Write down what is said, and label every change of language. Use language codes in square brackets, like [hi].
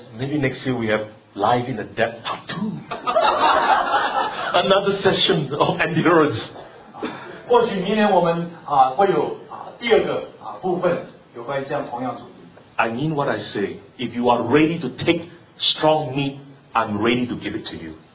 [en] maybe next year we have Life in the Depth Part 2. Another session of endurance. [zh] 或许明年我们会有第二个部分有关于这样同样主题。 [en] I mean what I say, if you are ready to take strong meat, I'm ready to give it to you.